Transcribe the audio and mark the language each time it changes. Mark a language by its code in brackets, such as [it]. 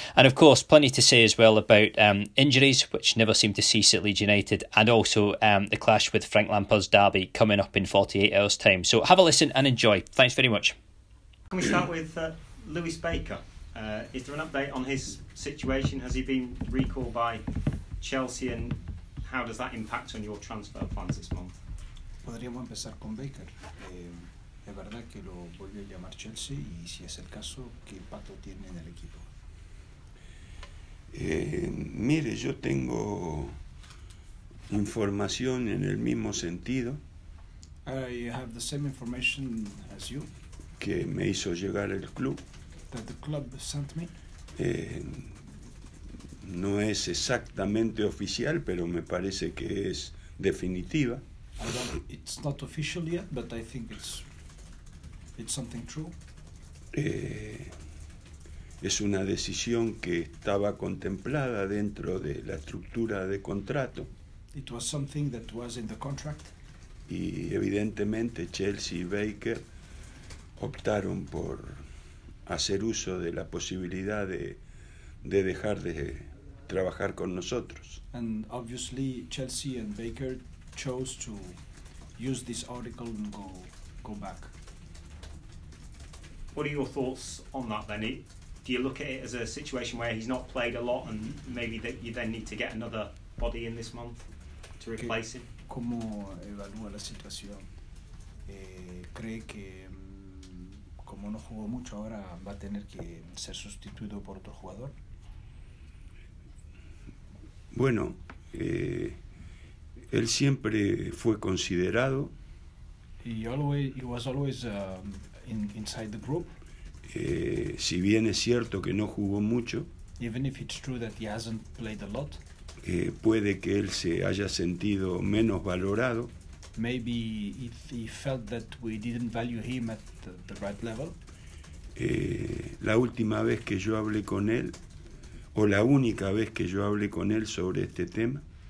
[en] And of course, plenty to say as well about injuries, which never seem to cease at Leeds United, and also the clash with Frank Lampard's Derby coming up in 48 hours' time. So have a listen and enjoy. Thanks very much. Can we start with Lewis Baker? Is there an update on his situation? Has he been recalled by Chelsea, and how does that impact on your transfer plans this month? [es] Podríamos empezar con Baker. Es verdad que lo volvió a llamar Chelsea, y si es el caso, ¿qué impacto tiene en el equipo? Mire, yo tengo información en el mismo sentido. [en] I have the same information as you. [es] Que me hizo llegar el club. [en] That the club sent me. [es] No es exactamente oficial, pero me parece que es definitiva. [en] It's not official yet, but I think it's something true. [es] Es una decisión que estaba contemplada dentro de la estructura de contrato. [en] It was something that was in the contract. [es] Y evidentemente Chelsea y Baker optaron por hacer uso de la posibilidad de dejar de trabajar con nosotros. [en] And obviously Chelsea and Baker chose to use this article and go back. What are your thoughts on that, Benny? Do you look at it as a situation where he's not played a lot and maybe that you then need to get another body in this month? [es] ¿Cómo evalúa la situación? ¿Cree que como no jugó mucho ahora va a tener que ser sustituido por otro jugador? Bueno, él siempre fue considerado. [en] He was always inside the group. [es] Si bien es cierto que no jugó mucho. [en] Even if it's true that he hasn't played a lot. [es] Puede que él se haya sentido menos valorado. [en] Maybe he felt that we didn't value him at the right level. [es] La última vez que yo hablé con él, o la única vez que yo hablé con él sobre este tema,